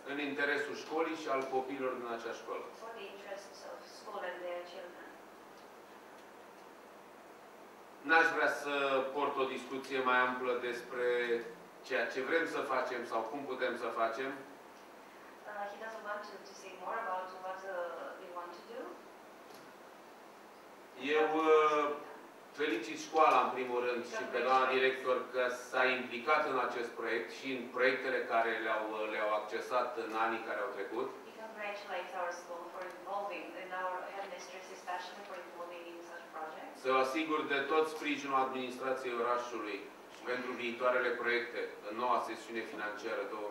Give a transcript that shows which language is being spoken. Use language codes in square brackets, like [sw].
[ro] În interesul școlii și al copiilor din acea școală. [en] For the interests of school and their children. [ro] N-aș vrea să port o discuție mai amplă despre ceea ce vrem să facem sau cum putem să facem. [en] He doesn't want to say more about what we want to do. [ro] Eu felicit școala în primul rând și pe doamna director că s-a implicat în acest proiect și în proiectele care le-au accesat în anii care au trecut. [en] He congratulates our school for involving and our headmistress especially for involving in such projects. [ro] Să asigur de tot sprijinul administrației orașului pentru viitoarele proiecte în noua sesiune financiară 2014-2020.